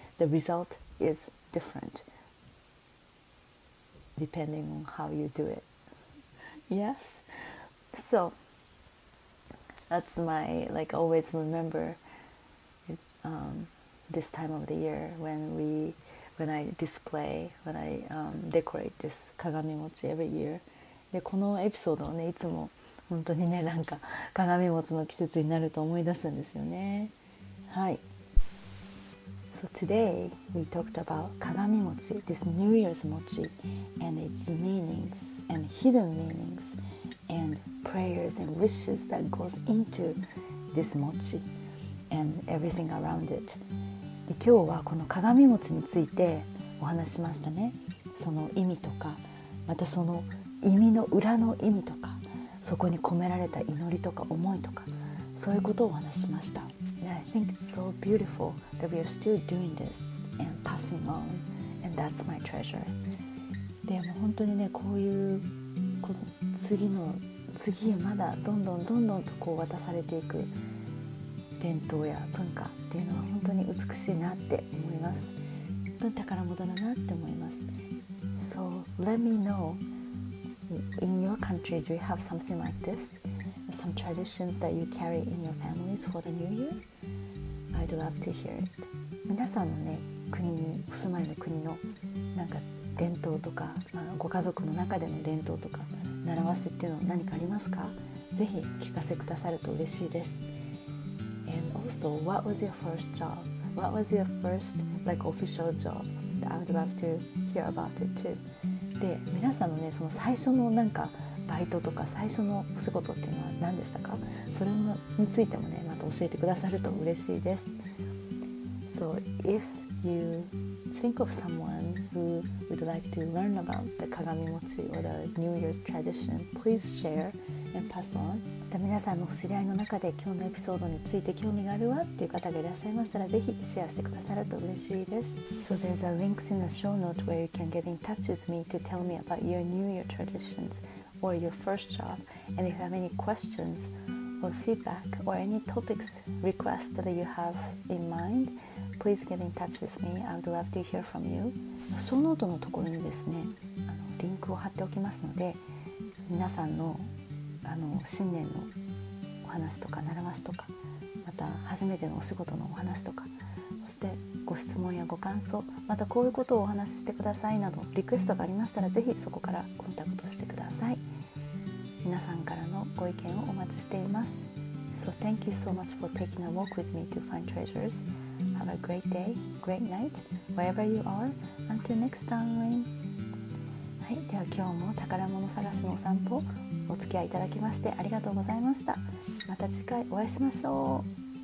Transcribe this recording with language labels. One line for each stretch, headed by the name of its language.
English: The result is different depending on how you do it. Yes. So that's my like always remember it, this time of the year when I decorate this 鏡餅 every year.
Japanese: で、このエピソードをね、いつも本当にね、なんか鏡餅の季節になると思い出すんですよね。はい。
English: So today we talked about 鏡餅, this New Year's mochi, and its meanings and hidden meanings and prayers and wishes that goes into this mochi and everything around it.
Japanese: 今日はこの鏡餅についてお話しましたね。その意味とか、またその意味の裏の意味とか、そこに込められた祈りとか思いとか、そういうことをお話ししました。
English: I think it's so beautiful that we are still doing this and passing on, and that's my treasure.
Japanese: でも本当にね、こういうこの次へまだどんどんどんどんとこう渡されていく伝統や文化っていうのは本当に美しいなって思います。本当に宝物だなって思います。
English: So let me know, in your country do you have something like this? Some traditions that you carry in your families for the new year? I'd love to hear it.
Japanese: 皆さんのね、国にお住まいの国のなんか伝統とか、まあ、ご家族の中での伝統とか習わしっていうのは何かありますか？ぜひ聞かせくださると嬉しいです。
English: So what was your first job? What was your first like official job? I would love to hear about it too.
Japanese: で、皆さんのね、その最初のなんかバイトとか最初のお仕事っていうのは何でしたか？それもについてもね、また教えてくださると嬉しいです。
English: So if you think of someone who would like to learn about the kagami mochi or the New Year's tradition, please share and pass on.
Japanese: で、皆さんのお知り合いの中で今日のエピソードについて興味があるわっていう方がいらっしゃいましたら、ぜひシェアしてくださると嬉しいです。
English: So there's a link in the show notes where you can get in touch with me to tell me about your New Year traditions. Or your first job, and if you have any questions or feedback or any topics requests that you have in mind, please get in touch with me. I would love to hear from you.
Japanese: ショーノートのところにですね、リンクを貼っておきますので、皆さんの、新年のお話とか習わしとか、また初めてのお仕事のお話とか、そしてご質問やご感想、またこういうことをお話ししてくださいなどリクエストがありましたら、ぜひそこからコンタクトしてください。皆さんからのご意見をお待ちしています。
English: So thank you so much for taking a walk with me to find treasures. Have a great day, great night, wherever you are. Until next time.
Japanese: はい、では今日も宝物探しのお散歩お付き合いいただきましてありがとうございました。また次回お会いしましょう。